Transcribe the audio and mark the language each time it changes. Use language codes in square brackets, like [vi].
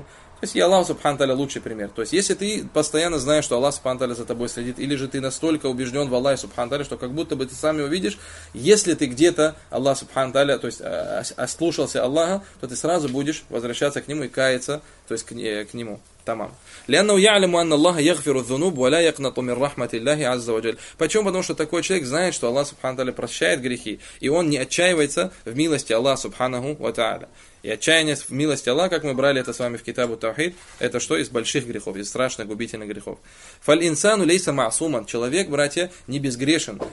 [ru] То есть, и Аллах Субхану Тааля лучший пример. То есть, если ты постоянно знаешь, что Аллах Субхану Тааля за тобой следит, или же ты настолько убежден в Аллахе Субхану Тааля, что как будто бы ты сам его видишь, если ты где-то Аллах Субхану Тааля, то есть, ослушался Аллаха, то ты сразу будешь возвращаться к нему и каяться, то есть, к нему. Тамам. [ar] لأنه يعلم أن الله يغفر الذنوب ولا يقنط من رحمة الله عز وجل. [ru] Почему? Потому что такой человек знает, что Аллах Субхану Тааля прощает грехи, и он не отчаивается в милости Аллаха Субханаху ва Тааля. И отчаяние в милости Аллаха, как мы брали это с вами в Китабу Таухид, это что? Из больших грехов, из страшных, губительных грехов. [ar] فَالْإِنسَانُ لَيْسَ مَعْصُومًا. [ru] Человек, братья, не безгрешен.